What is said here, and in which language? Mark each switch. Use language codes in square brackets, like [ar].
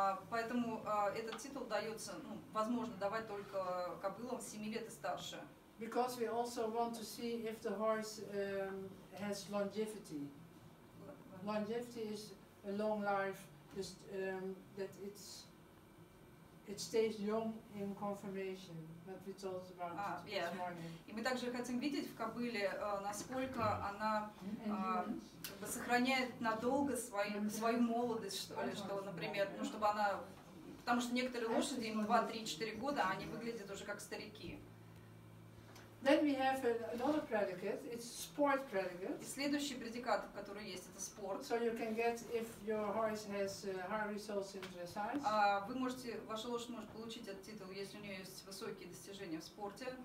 [ru] Поэтому этот титул дается, ну, возможно, давать только кобылам 7 лет и старше. [en] Because we also want to see if the horse has longevity. Longevity is a long life, just that it stays young in confirmation. That we talked about this morning. [ru] И мы также хотим видеть в кобыле, насколько она сохраняет надолго свою молодость, что ли, что, например, ну чтобы она, потому что некоторые лошади им 2, 3, 4 года, они выглядят уже как старики. [en] Then we have another predicate. It's sport predicate. [ru] И следующий предикат, который есть, это спорт. [en] So you can get if your horse has high results in dressage. [ru] Вы можете, ваша лошадь может получить этот титул, если у нее есть высокие достижения в спорте.